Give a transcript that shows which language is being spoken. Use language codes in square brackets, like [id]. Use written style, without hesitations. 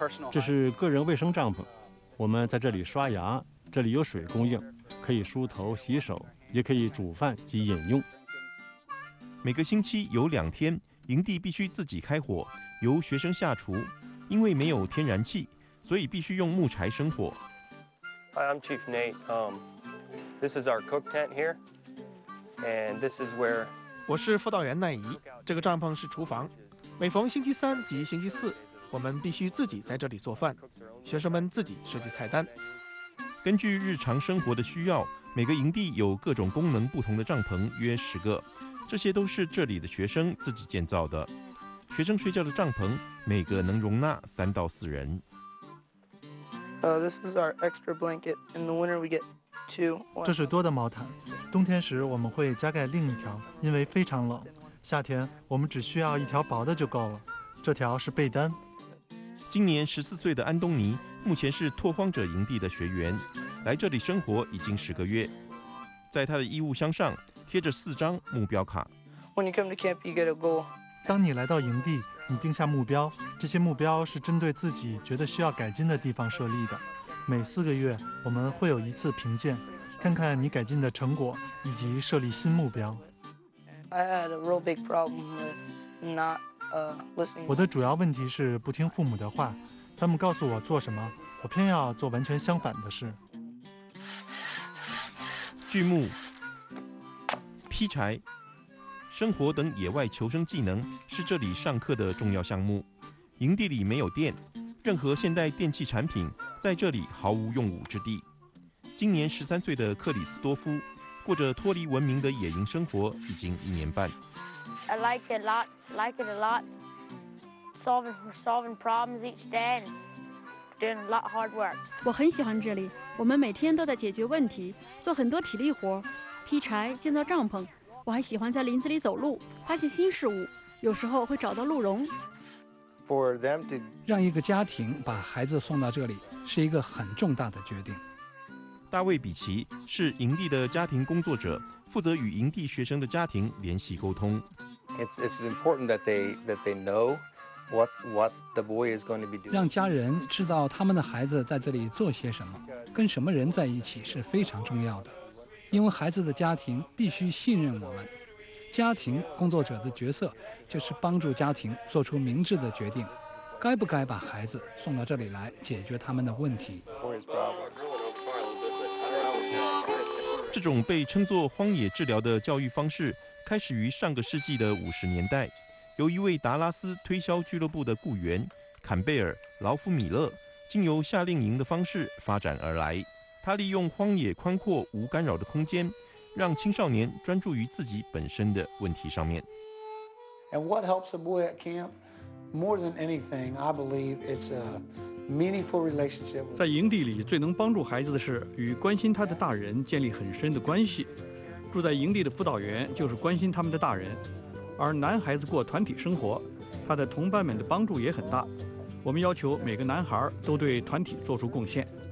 [zh] 这是个人卫生帐篷，我们在这里刷牙，这里有水供应，可以梳头洗手，也可以煮饭及饮用。每个星期有2天，营地必须自己开火，由学生下厨，因为没有天然气，所以必须用木柴生火。 [en] Hi, I'm Chief Nate. This is our cook tent here, and this is where. [zh] 我是辅导员奈姨，这个帐篷是厨房。每逢星期三及星期四，我们必须自己在这里做饭，学生们自己设计菜单。根据日常生活的需要，每个营地有各种功能不同的帐篷，约10个。这些都是这里的学生自己建造的。学生睡觉的帐篷每个能容纳3到4人。 [en] This is our extra blanket. In the winter, we get two. [zh] 这是多的毛毯，冬天时我们会加盖另一条，因为非常冷。夏天我们只需要一条薄的就够了，这条是被单。今年14岁的安东尼目前是拓荒者营地的学员，来这里生活已经10个月。在他的衣物箱上贴着4张目标卡。 [en] When you come to camp, you get a goal. [zh] 当你来到营地，你定下目标，这些目标是针对自己觉得需要改进的地方设立的。每4个月，我们会有一次评鉴，看看你改进的成果以及设立新目标。 [en] I had a real big problem with not listening. [zh] 我的主要问题是不听父母的话，他们告诉我做什么，我偏要做完全相反的事。锯木、劈柴、生火等野外求生技能是这里上课的重要项目。营地里没有电，任何现代电器产品在这里毫无用武之地。今年13岁的克里斯多夫过着脱离文明的野营生活已经1年半。 [en] I like it a lot, like it a lot. Solving problems each day, doing a lot of hard work. [zh] 我很喜欢这里，我们每天都在解决问题，做很多体力活，劈柴、建造帐篷。我还喜欢在林子里走路，发现新事物，有时候会找到鹿茸。让一个家庭把孩子送到这里是一个很重大的决定。大卫·比奇是营地的家庭工作者，负责与营地学生的家庭联系沟通。 [en] It's important that they know what the boy is going to be doing. [zh] 让家人知道他们的孩子在这里做些什么，跟什么人在一起是非常重要的。因为孩子的家庭必须信任我们，家庭工作者的角色就是帮助家庭做出明智的决定，该不该把孩子送到这里来解决他们的问题。这种被称作荒野治疗的教育方式开始于上世纪的50年代，由一位达拉斯推销俱乐部的雇员坎贝尔·劳夫米勒经由夏令营的方式发展而来。他利用荒野宽阔无干扰的空间，让青少年专注于自己本身的问题上面。 [en] And what helps a boy at camp? More than anything, I believe it's a meaningful relationship. [zh] 在营地里最能帮助孩子的是与关心他的大人建立很深的关系。住在营地的辅导员就是关心他们的大人，而男孩子过团体生活，他的同伴们的帮助也很大。我们要求每个男孩都对团体做出贡献。